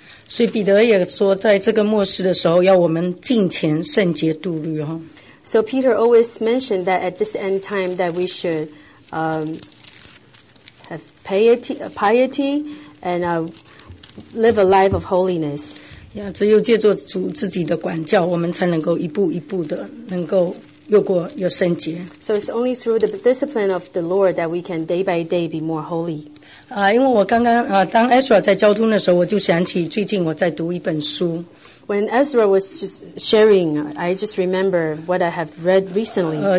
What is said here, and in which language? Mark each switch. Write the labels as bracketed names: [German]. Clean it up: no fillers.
[Chinese] 所以彼得也说在这个末世的时候要我们敬虔圣洁度律、哦、 [English] So Peter always mentioned that at this end time that we should have piety and live a life of holiness. [Chinese] Yeah, 只有借助主自己的管教我们才能够一步一步的能够越过越圣洁。 [English] So it's only through the discipline of the Lord that we can day by day be more holy. [Chinese] 因为我刚刚当 Ezra 在交通的时候，我就想起最近我在读一本书。 [English] When Ezra was just sharing, I just remember what I have read recently.